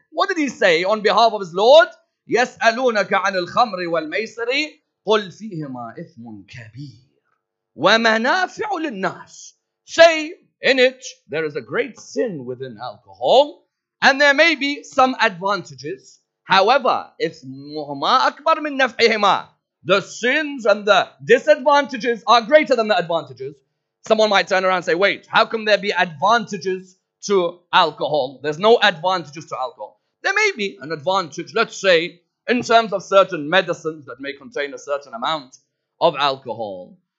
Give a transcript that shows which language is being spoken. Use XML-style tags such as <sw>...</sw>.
<en>What did he say on behalf of his Lord?</en> <ar>يَسْأَلُونَكَ عَنِ الْخَمْرِ وَالْمَيْسَرِ قُلْ فِيهِمَا إِثْمٌ كَبِيرٌ وَمَنَافِعُ لِلنَّاسِ.</ar> <en>Say, in it, there is a great sin within alcohol, and there may be some advantages. However,</en> <ar>إِثْمُهُمَا أَكْبَرُ مِنْ نَفْعِهِمَا.</ar> <en>The sins and the disadvantages are greater than the advantages. Someone might turn around and say, wait, how can there be advantages to alcohol? There's no advantages to alcohol. There may be an advantage, let's say, in terms of certain medicines that may contain a certain amount of alcohol.</en>